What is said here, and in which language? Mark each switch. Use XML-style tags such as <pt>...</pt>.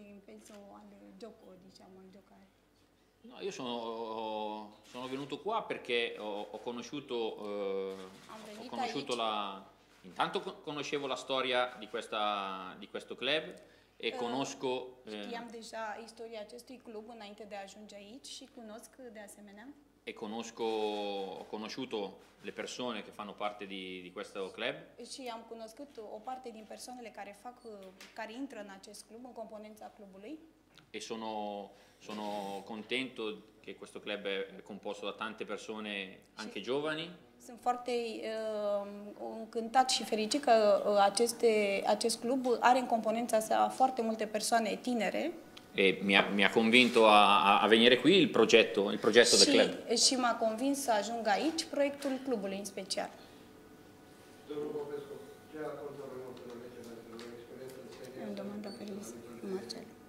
<it>Penso al gioco, diciamo, al giocare. No, io sono venuto qua perché ho conosciuto la... Intanto conoscevo la storia di questo club. E conosco</it> <ro>știam deja istoria acestui club înainte de a ajunge aici și cunosc de asemenea.</ro> <it>E conosco, ho conosciuto le persone che fanno parte di questo club.</it> <ro>Și am cunoscut o parte din persoanele care intră în acest club, în componența clubului.</ro> <it>E sono contento che questo club è composto da tante persone anche giovani.</it> <ro>Sunt foarte încântat și fericit că acest club are în componența sa foarte multe persoane tinere.</ro> <it>E mi-a convinto a venire qui il progetto del club.</it> <ro>Și m-a convins să ajung aici proiectul clubului în special. Domnul Popescu, ce a fost domnul Mătălăgeți în experiență? Îmi domandă pe Lisa, Marcel.</ro>